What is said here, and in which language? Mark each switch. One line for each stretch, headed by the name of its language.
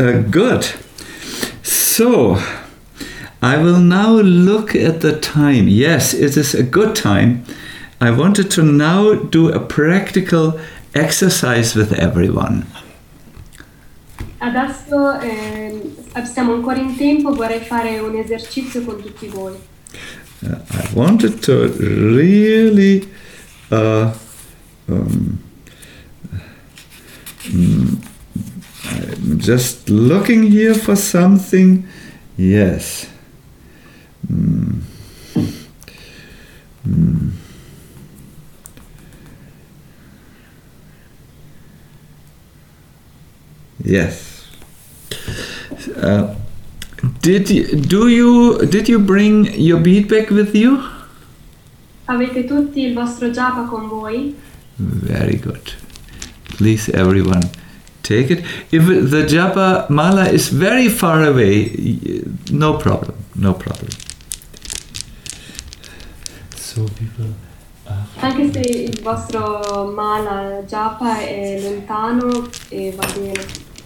English: Good. So, I will now look at the time. Yes, it is a good time. I wanted to now do a practical exercise with everyone.
Italian: Adesso siamo ancora in tempo, vorrei fare un esercizio con tutti voi.
English: I wanted to really I'm just looking here for something. Yes. Yes. Did you bring your beadbag with you?
Italian: Avete tutti il vostro japa con voi?
English: Very good. Please, everyone, take it. If the japa mala is very far away, no problem. No problem. So people.
Italian: Anche se il vostro mala japa è lontano e va bene.